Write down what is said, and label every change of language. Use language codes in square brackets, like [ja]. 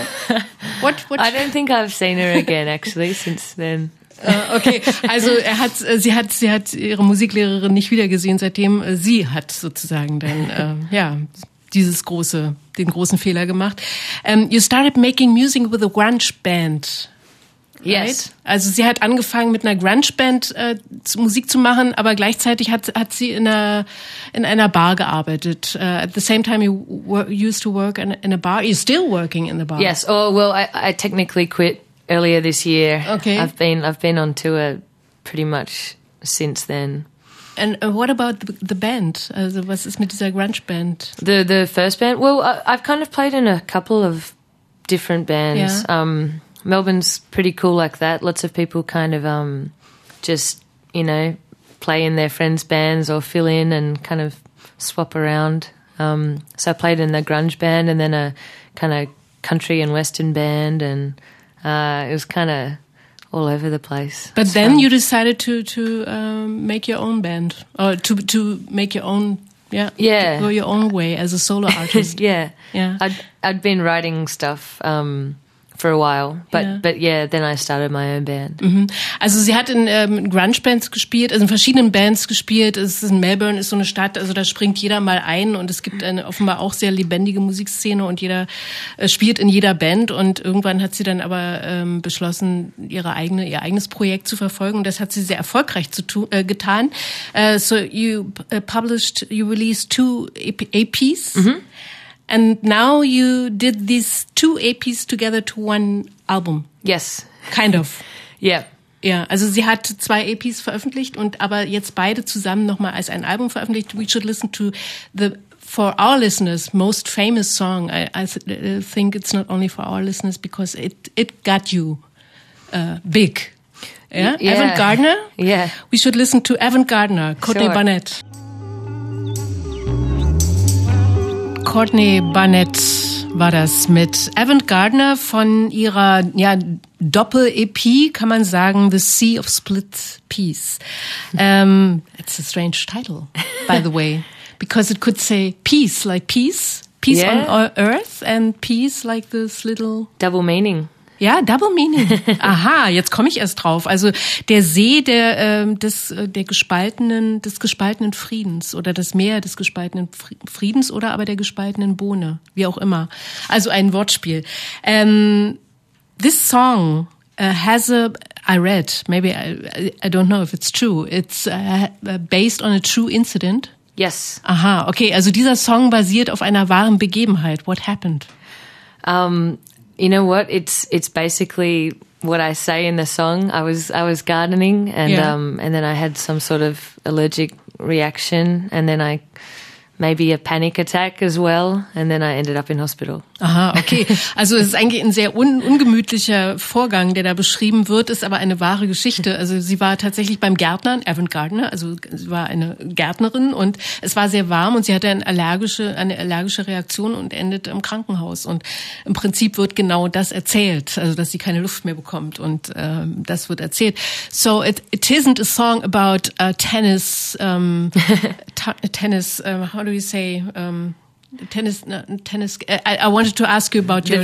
[en] I don't think I've seen her again actually since then. [de] Sie hat ihre Musiklehrerin nicht wiedergesehen, seitdem sie hat sozusagen dann den großen Fehler gemacht. [en] You started making music with a grunge band. Yes. Right? [de] Also sie hat angefangen mit einer Grunge Band Musik zu machen, aber gleichzeitig hat sie in einer Bar gearbeitet. [en] At the same time you used to work in a bar. You're still working in the bar. Yes. Oh well, I technically quit earlier this year. Okay. I've been on tour pretty much since then. And what about the band? [de] Also was ist mit dieser Grunge Band? [en] The first band? Well, I've kind of played in a couple of different bands. Yeah. Melbourne's pretty cool like that. Lots of people kind of just, you know, play in their friends' bands or fill in and kind of swap around. So I played in the grunge band and then a kind of country and western band, and it was kind of all over the place. But then you decided to make your own band, or to make your own, to go your own way as a solo artist. I'd been writing stuff for a while, but then I started my own band. Mhm. [de] Also sie hat in Grunge Bands gespielt, also in verschiedenen Bands gespielt. Es ist, Melbourne ist so eine Stadt, also da springt jeder mal ein, und es gibt eine offenbar auch sehr lebendige Musikszene, und jeder spielt in jeder Band, und irgendwann hat sie dann aber beschlossen, ihr eigenes Projekt zu verfolgen, und das hat sie sehr erfolgreich getan. [en] So you published, you released two EPs. Mhm. And now you did these two EPs together to one album. Yes. Kind of. Yeah. Yeah. [de] Also sie hat zwei EPs veröffentlicht, und aber jetzt beide zusammen nochmal als ein Album veröffentlicht. [en] We should listen to the, for our listeners, most famous song. I think it's not only for our listeners, because it got you big. Yeah. Evan Gardner. Yeah. We should listen to Evan Gardner, Courtney Barnett. [de] Courtney Barnett war das mit Evan Gardner von ihrer Doppel-EP, kann man sagen, The Sea of Split Peace. [en] It's a strange title, by the way, because it could say peace, like peace on earth, and peace like this little... Double meaning. [de] Ja, [en] double meaning. [de] Aha, jetzt komme ich erst drauf. Also der See des gespaltenen Friedens, oder das Meer des gespaltenen Friedens, oder aber der gespaltenen Bohne, wie auch immer. Also ein Wortspiel. [en] This song has I don't know if it's true. It's based on a true incident. Yes. Aha, okay. [de] Also dieser Song basiert auf einer wahren Begebenheit. [en] What happened? You know what? It's basically what I say in the song. I was gardening, and then I had some sort of allergic reaction, and then maybe a panic attack as well, and then I ended up in hospital. Aha, okay. [de] Also es ist eigentlich ein sehr ungemütlicher Vorgang, der da beschrieben wird, ist aber eine wahre Geschichte. Also sie war tatsächlich beim Gärtner, Evan Gardner, also sie war eine Gärtnerin, und es war sehr warm, und sie hatte eine allergische Reaktion und endet im Krankenhaus. Und im Prinzip wird genau das erzählt, also dass sie keine Luft mehr bekommt, und das wird erzählt. [en] So it isn't a song about tennis, I wanted to ask you about your